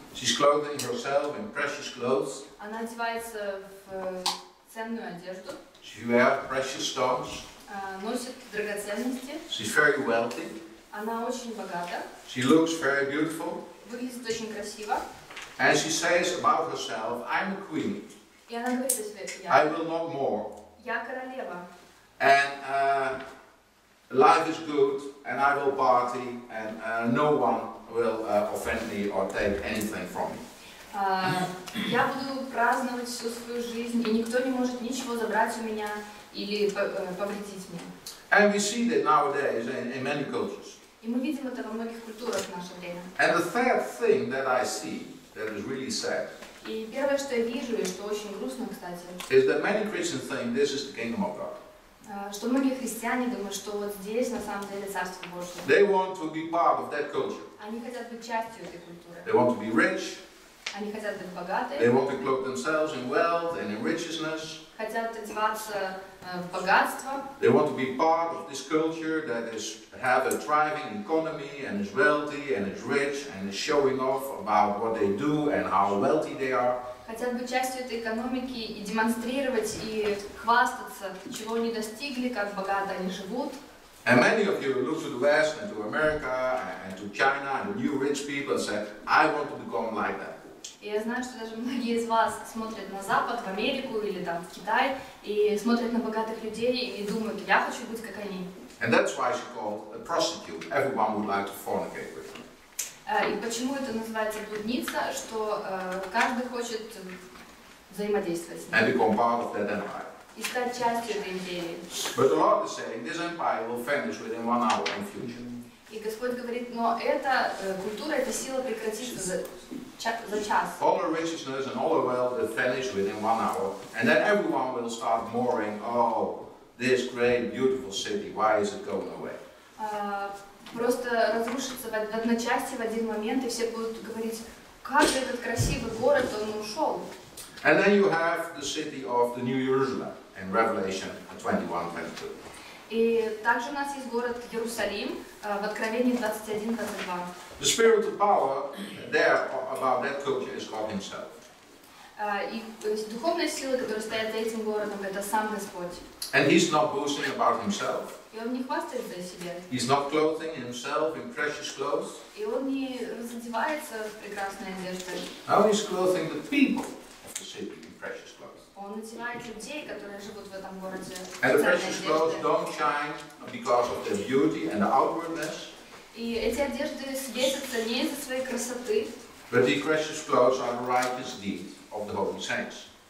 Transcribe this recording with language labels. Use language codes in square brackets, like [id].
[en] She's clothing herself in precious clothes. [ru] Она одевается в ценную одежду. [en] She wears precious stones. [ru] Носит драгоценности. [en] She's very wealthy. [ru] Она очень богата. [en] She looks very beautiful. [ru] Выглядит очень красиво. [en] And she says about herself, I'm a queen. I will not more. And life is good, and I will party, and no one will offend me or take anything from me. [ru] Я буду праздновать всю свою жизнь, и никто не может ничего забрать у меня или повредить мне. [en] And we see that nowadays in many cultures. [ru] И мы видим это во многих культурах в наше время. [en] And the third thing that I see. That is really sad. [ru] И первое, что я вижу, и что очень грустно, кстати, [en] is that many Christians think this is the kingdom of God. [ru] Что многие христиане думают, что вот здесь на самом деле царство Божье. [en] They want to be part of that culture. [ru] Они хотят быть частью этой культуры. [en] They want to be rich. [ru] Они хотят быть богатыми. [en] They want to cloak themselves in wealth and in richness. [ru] Хотят одеваться в богатство. [en] They want to be part of this culture that is have a thriving economy and is wealthy and is rich and is showing off about what they do and how wealthy they are. [ru] Хотят быть частью этой экономики и демонстрировать и хвастаться, чего они достигли, как богато они живут. [en] And many of you look to the West and to America and to China and the new rich people and say, I want to become like that. [ru] И я знаю, что даже многие из вас смотрят на Запад, в Америку или там в Китай, и смотрят на богатых людей и думают, я хочу быть как они. [en] And that's why she called a prostitute. Everyone would like to fornicate with her. [ru] И почему это называется блудница, что каждый хочет взаимодействовать с ней. [en] And become part of that empire. [ru] И стать частью этой империи. [en] But the Lord is saying, this empire will finish within 1 hour in future. [ru] И Господь говорит, но эта культура, эта сила прекратится за час. [en] All her richness and all her wealth will finish within 1 hour. And then everyone will start mourning, oh, this great, beautiful city, why is it going away? [ru] Просто разрушится в одной части, в один момент, и все будут говорить, как же этот красивый город, он ушел. [en] And then you have the city of the New Jerusalem in Revelation 21:22. [ru] И также у нас есть город Иерусалим в Откровении 21:22. [en] The spiritual power there about that culture is God Himself. [ru] И духовная сила, которая стоит за этим городом, это сам Господь. [en] And He's not boasting about Himself. [ru] И он не хвастается о себе. [en] He's not clothing Himself in precious clothes. [ru] И он не разодевается в прекрасные одежды. [en] Now He's clothing the people of the city in precious clothes. [ru] Он надевает людей, которые живут в этом городе. [en] And the precious clothes don't shine because of their beauty and outwardness. [ru] И эти одежды светятся не из-за своей красоты. [en] But the precious clothes are the righteous deed of the holy saints.